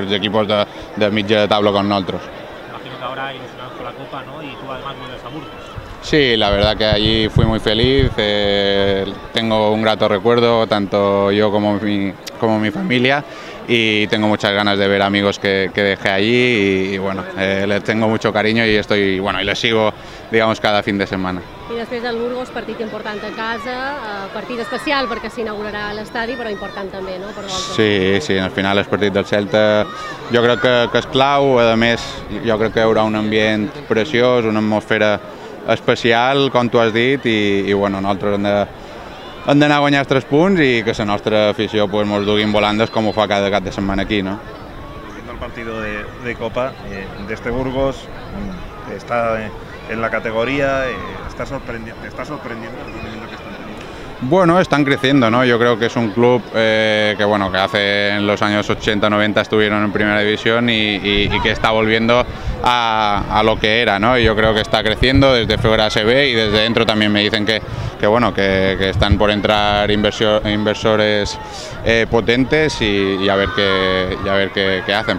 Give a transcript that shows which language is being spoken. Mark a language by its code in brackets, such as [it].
[ca] Per els equips de mitja taula com nosaltres. [es] Imagino que ahora ilusionados con la Copa, ¿no? Y tú además vuelves a Burgos. Sí, la verdad que allí fui muy feliz, tengo un grato recuerdo, tanto yo como mi familia, y tengo muchas ganas de ver amigos que dejé allí y bueno, les tengo mucho cariño y estoy, bueno, y les sigo, digamos, cada fin de semana. [ca] I després del Burgos, partit important a casa, partit especial perquè s'inaugurarà l'estadi, però important també, no? Sí, sí, al final el partit del Celta jo crec que és clau, a més jo crec que hi haurà un ambient preciós, una atmosfera especial, com tu has dit, i bueno, nosaltres hem d'anar a guanyar els 3 punts i que la nostra afició pues, mos duguin volandes com ho fa cada cap de setmana aquí, no? Vint el partit de Copa, d'este Burgos, està en la categoria, està sorprendent el rendiment que estan tenint? [es] Bueno, están creciendo, ¿no? Yo creo que es un club que, bueno, que hace en los años 80-90 estuvieron en primera división y que está volviendo a lo que era, ¿no? Y yo creo que está creciendo, desde fuera se ve y desde dentro también me dicen que bueno, que están por entrar inversores potentes y a ver qué hacen.